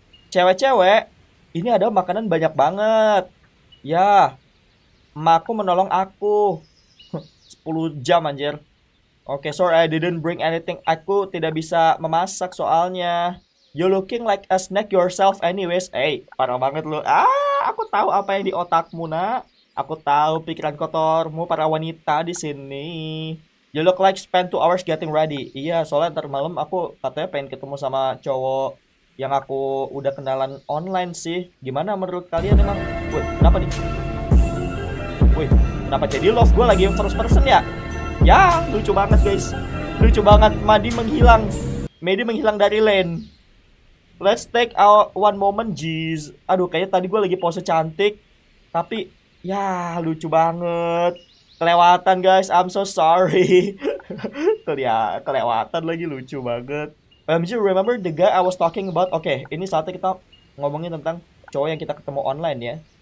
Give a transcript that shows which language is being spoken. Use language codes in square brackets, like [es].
[id] Cewek-cewek, ini ada makanan banyak banget. Ya, emakku menolong aku. 10 jam anjir. [en] Sorry I didn't bring anything. [id] Aku tidak bisa memasak soalnya. [en] You looking like a snake yourself anyways. [id] Hey, parah banget lu. Aku tahu apa yang di otakmu, nak. Aku tahu pikiran kotormu para wanita di sini. [en] You look like spend 2 hours getting ready. [id] Iya, soalnya ntar malam aku katanya pengen ketemu sama cowok yang aku udah kenalan online sih. Gimana menurut kalian emang? Woi, kenapa nih? Woi, kenapa jadi love gue lagi yang first person ya? Ya, lucu banget guys. Lucu banget, Madi menghilang. Madi menghilang dari lane. [en] Let's take our one moment, jeez. [id] Aduh, kayaknya tadi gue lagi pose cantik. Tapi, ya lucu banget. Kelewatan guys, [en] I'm so sorry. [id] Tuh ya, kelewatan lagi, lucu banget. [en] OMG, remember the guy I was talking about? [id] Oke, okay, ini saatnya kita ngomongin tentang cowok yang kita ketemu online ya.